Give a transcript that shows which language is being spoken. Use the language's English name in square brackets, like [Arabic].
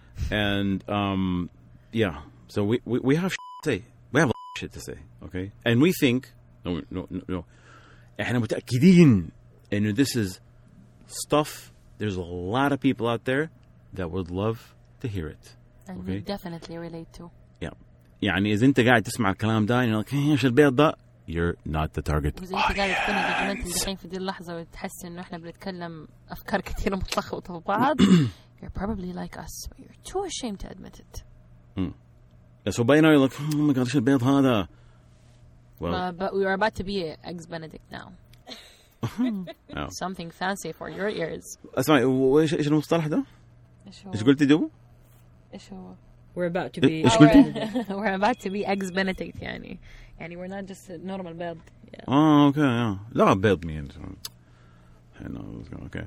[English] And yeah, so we have shit to say. We have a lot of shit to say, okay? And we think, no. [Arabic] احنا متأكدين ان [English] this is stuff, there's a lot of people out there that would love to hear it. And okay? We definitely relate to. Yeah. [Arabic] يعني إذا أنت قاعد تسمع الكلام ده يعني كيف إيش البيض ده [English] you're not the target. [Arabic] إذا أنت قاعد تكون بجمنت الحين في دي اللحظة وتحس إنه إحنا بنتكلم أفكار كثيرة متلخبطة في بعض [English] you're probably like us but you're too ashamed to admit it. Yeah, so by now you're like, oh my god, [Arabic] إيش البيض هذا. [English] Well, but we are about to be eggs Benedict now. Something fancy for your ears. [Arabic] اسمعي وإيش إيش المصطلح ده؟ إيش قلتي دوبه؟ إيش هو؟ [English] We're about to be eggs Benedict, [Arabic] يعني. يعني [English] we're not just a normal bird. Yeah. Oh, okay, yeah. [Arabic] لا [English] bird means. I know. Okay.